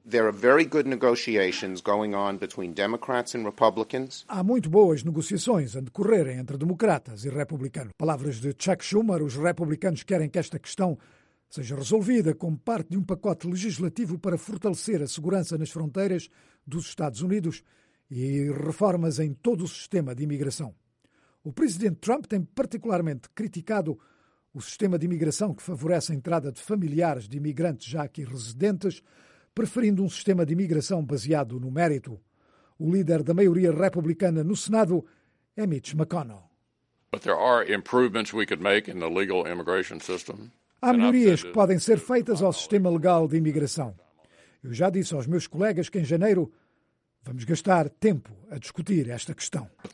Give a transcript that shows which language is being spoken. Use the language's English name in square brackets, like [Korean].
[English] There are very good negotiations going on between Democrats and Republicans. [Portuguese] Há muito boas negociações a decorrerem entre democratas e republicanos. Palavras de Chuck Schumer, os republicanos querem que esta questão seja resolvida como parte de um pacote legislativo para fortalecer a segurança nas fronteiras dos Estados Unidos e reformas em todo o sistema de imigração. O presidente Trump tem particularmente criticado o sistema de imigração que favorece a entrada de familiares de imigrantes já aqui residentes, preferindo um sistema de imigração baseado no mérito. O líder da maioria republicana no Senado é Mitch McConnell. [English] But there are improvements we could make in the legal immigration system. [Portuguese] Há melhorias que podem ser feitas ao sistema legal de imigração. Eu já disse aos meus colegas que em janeiro vamos gastar tempo a discutir esta questão.